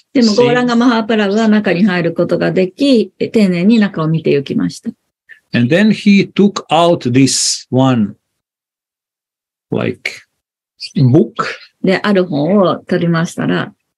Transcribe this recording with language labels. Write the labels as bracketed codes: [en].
[ja] でも、ゴーランガ・マハープラブは中に入ることができ、丁寧に中を見てゆきました。 [en] And then he took out this one, like, book. [ja] で、ある本を取りましたら、